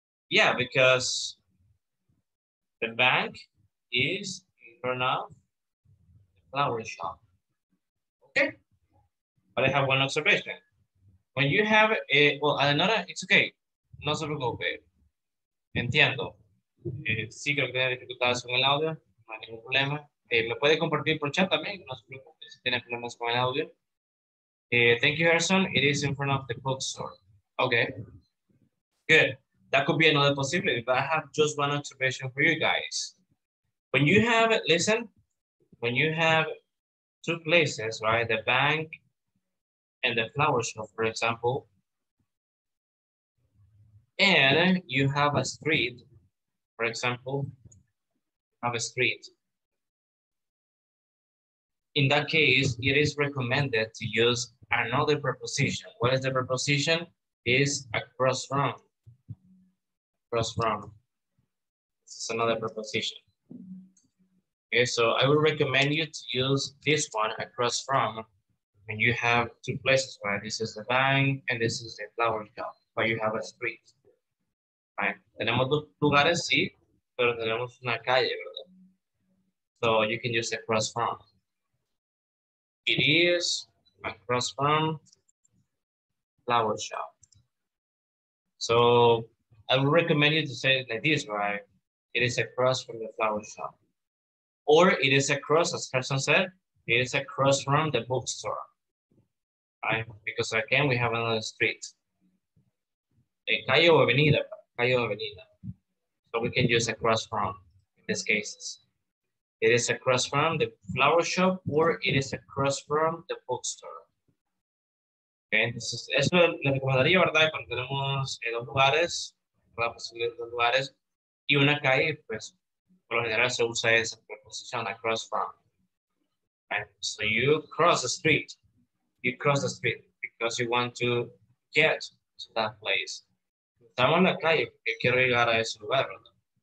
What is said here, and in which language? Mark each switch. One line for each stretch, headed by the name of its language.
English: Yeah, because the bank is in front of the flower shop. Okay. But I have one observation. When you have a, well, another, it's okay.
Spanish: No se preocupe. Entiendo. Sí, creo que tiene dificultades con el audio. No hay ningún problema. Me puede compartir por chat también. No se preocupe si tiene problemas con el audio.
English: Thank you, Harrison. It is in front of the bookstore. Okay. Good. That could be another possibility, but I have just one observation for you guys. When you have, listen, when you have two places, right, the bank and the flower shop, for example, and you have a street, for example, have a street. in that case, it is recommended to use another preposition. What is the preposition? Is across from. Across from. This is another preposition. Okay, so I would recommend you to use this one, across from, when you have two places, right? This is the bank and this is the flower shop, but you have a street. Right?
Spanish: Tenemos dos lugares, sí, pero tenemos una calle, ¿verdad?
English: So you can use across from. It is across from flower shop. So I would recommend you to say it like this, right? It is across from the flower shop. Or it is across, as Carson said, it is across from the bookstore. Right? Because again, we have another street.
Spanish: En calle o avenida.
English: Calle o avenida. So we can use across from in this case. It is across from the flower shop or it is across from the bookstore.
Spanish: Okay, entonces eso le recomendaría, ¿verdad? Cuando tenemos dos lugares, la posibilidad de dos lugares y una calle, pues por lo general se usa esa preposición, across from.
English: Okay. So you cross the street. You cross the street because you want to get to that place.
Spanish: Estamos en la calle porque quiero llegar a ese lugar, ¿verdad?